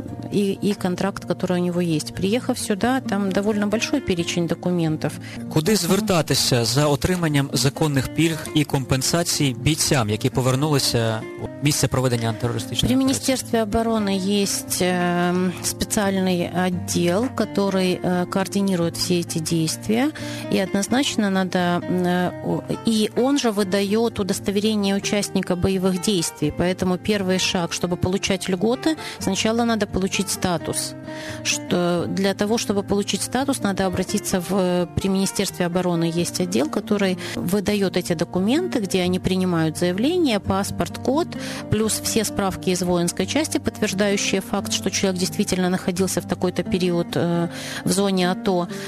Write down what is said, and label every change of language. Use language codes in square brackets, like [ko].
[ru] И контракт, который у него есть. Приехав сюда, там довольно большой перечень документов. [uk] Куди звертатися за отриманням законних пільг і компенсацій бійцям, які повернулися в місце проведення антитерористичної операції? При Міністерстві оборони є спеціальний відділ, який координує всі ці дії. І однозначно треба... І він же видає удостоверення учасника бойових дій. Тому перший шаг, щоб отримати льготи, спочатку треба отримати статус. [ru] Что для того, чтобы получить статус, надо обратиться при Министерстве обороны. Есть отдел, который выдает эти документы, где они принимают заявление, паспорт, код, плюс все справки из воинской части, подтверждающие факт, что человек действительно находился в такой-то период в зоне АТО.